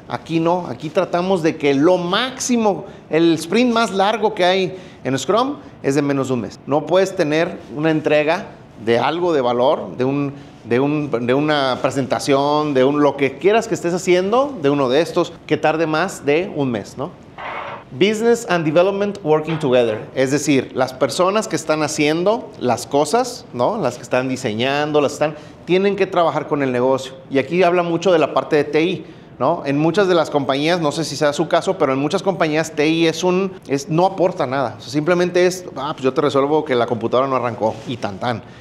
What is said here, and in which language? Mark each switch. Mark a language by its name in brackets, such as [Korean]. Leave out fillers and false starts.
[Spanish] Aquí no, aquí tratamos de que lo máximo, el sprint más largo que hay en Scrum es de menos de un mes. No puedes tener una entrega de algo de valor, de una presentación, de un lo que quieras que estés haciendo, de uno de estos, que tarde más de un mes, ¿no? [English] Business and development working together. [Spanish] Es decir, las personas que están haciendo las cosas, ¿no? Las que están diseñando, las que están... tienen que trabajar con el negocio. Y aquí habla mucho de la parte de TI, ¿no? En muchas de las compañías, no sé si sea su caso, pero en muchas compañías TI no aporta nada. O sea, simplemente es, pues yo te resuelvo que la computadora no arrancó y tan tan.